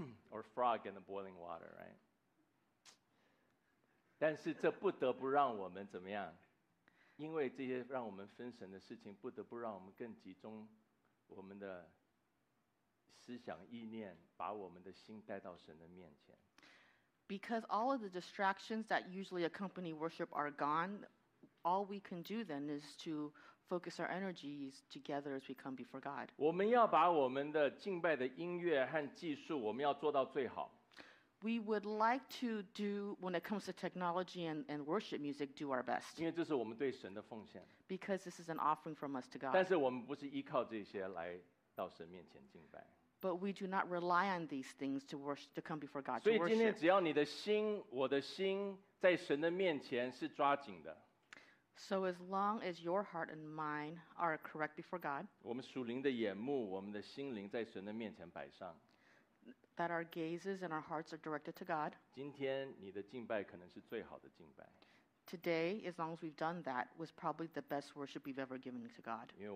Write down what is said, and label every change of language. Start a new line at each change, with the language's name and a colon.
English: Or frog in the boiling water, right?
Chinese: 但是这不得不让我们怎么样？因为这些让我们分神的事情，不得不让我们更集中我们的思想意念，把我们的心带到神的面前。
English: Because all of the distractions that usually accompany worship are gone, all we can do then is to focus our energies together as we come before God.
Chinese: 我们要把我们的敬拜的音乐和技术，我们要做到最好。
English: We would like to do, when it comes to technology and worship music, do our best.
Chinese: 因为这是我们对神的奉献。
English: Because this is an offering from us to God.
Chinese: 但是我们不是依靠这些来到神面前敬拜。
English: But we do not rely on these things to worship, to come before God.
Chinese: 所以今天只要你的心，我的心在神的面前是抓紧的。
English: So as long as your heart and mine are correct before God.
Chinese: 我们属灵的眼目，我们的心灵在神的面前摆上。
English: That our gazes and our hearts are directed to God.
Chinese: 今天你的敬拜可能是最好的敬拜。
English: Today, as long as we've done that, was probably the best worship we've ever given to God.